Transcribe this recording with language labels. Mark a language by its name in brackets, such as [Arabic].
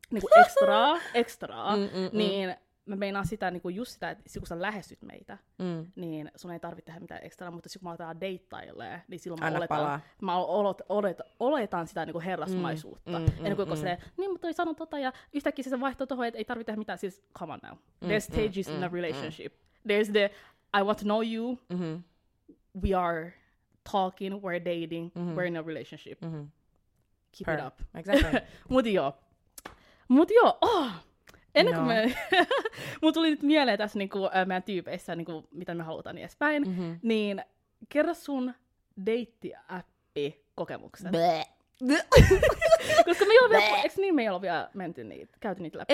[Finnish] Niinku extraa. Niin... mä meinaan sitä, niin kuin just sitä, että kun sä lähestyt meitä, niin sun ei tarvitse tehdä mitään ekstraa, mutta kun mä aletaan deittailemaan, niin silloin mä oletan sitä niin kuin herrasmaisuutta. Ennen kuin se, niin mutta ei sano tota, ja yhtäkkiä se vaihtoo tohon, että ei tarvitse tehdä mitään, siis [English] come on now. There's stages in a relationship. There's the, I want to know you, we are talking, we're dating, we're in a relationship. Keep it up. Exactly. [Finnish] Mut joo, ennen kuin mun tuli nyt mieleen tässä niinku, meidän tyypeissä, niinku, mitä me halutaan niin edespäin, niin kerro sun deitti-appi-kokemuksen. Koska me ei ole vielä menty niitä, käyty niitä läpi?